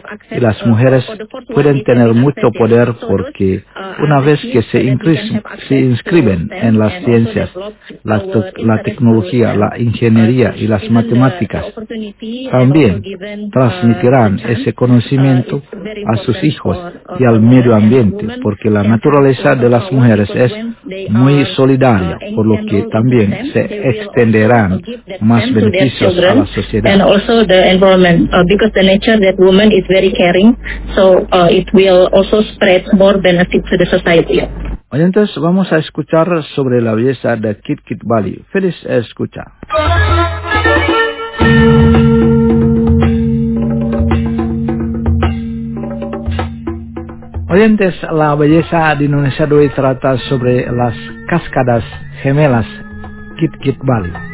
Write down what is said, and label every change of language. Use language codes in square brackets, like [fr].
[es] Y las mujeres pueden tener mucho poder porque una vez que se inscriben en las ciencias, la tecnología, la ingeniería y las matemáticas, también transmitirán ese conocimiento a sus hijos y al medio ambiente, porque la naturaleza de las mujeres es muy solidaria, por lo que también se extenderán más beneficios a la sociedad. [en] And also the environment, because the nature that woman is very caring, so it will also spread more benefits to the society. [es] Entonces vamos a escuchar sobre la belleza de Kit Kit Bali. Feliz escucha. Oyentes, la belleza de Indonesia de hoy trata sobre las cascadas gemelas Kit Kit Bali.